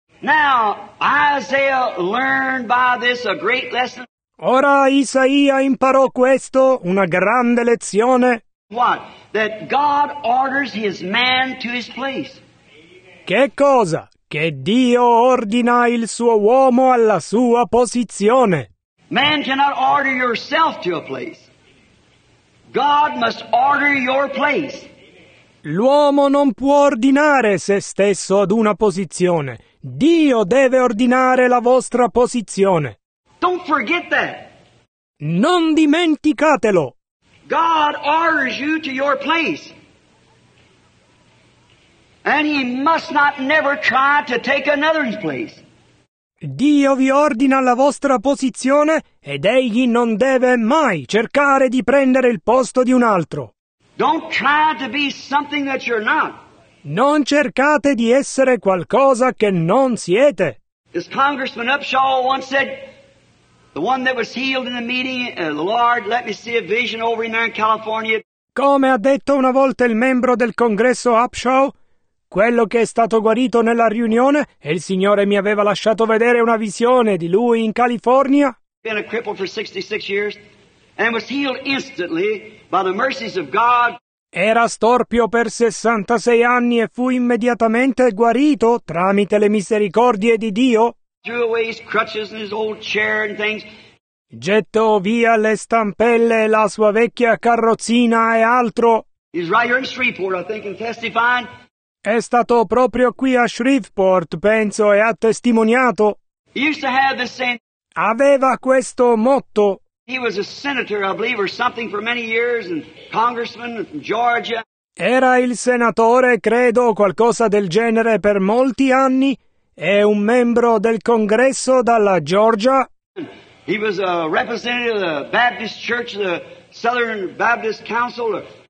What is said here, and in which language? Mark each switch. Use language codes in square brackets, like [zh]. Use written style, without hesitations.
[en] Now, Isaiah learned by this a great lesson. [it] Ora Isaia imparò questo, una grande lezione. [en] What? That God orders his man to his place. [it] Che cosa? Che Dio ordina il suo uomo alla sua posizione. [en] Man cannot order yourself to a place. God must order your place. [it] L'uomo non può ordinare se stesso ad una posizione. Dio deve ordinare la vostra posizione. [en] Don't forget that. [it] Non dimenticatelo. [en] God orders you to your place. And he must not never try to take another's place. [it] Dio vi ordina la vostra posizione ed egli non deve mai cercare di prendere il posto di un altro. [en] Don't try to be something that you're not. [it] Non cercate di essere qualcosa che non siete. [en] As Congressman Upshaw once said, the one that was healed in the meeting, the Lord let me see a vision over in there in California. [it] Come ha detto una volta il membro del congresso Upshaw, quello che è stato guarito nella riunione e il Signore mi aveva lasciato vedere una visione di lui in California. [en] Been a cripple for 66 years. and was healed instantly by the mercies of God. [it] Era storpio per 66 anni e fu immediatamente guarito tramite le misericordie di Dio. [en] Threw away his crutches and his old chair and things. [it] Gettò via le stampelle, la sua vecchia carrozzina e altro. [en] He's right here in Shreveport, I think, and testifying. [it] È stato proprio qui a Shreveport, penso, e ha testimoniato. [en] He used to have this saying. [it] Aveva questo motto. [en] He was a senator, I believe, or something for many years, and congressman from Georgia. [it] Era il senatore, credo, qualcosa del genere per molti anni. È un membro del congresso dalla Georgia. [en] He was a representative of the Baptist Church, the Southern Baptist Council.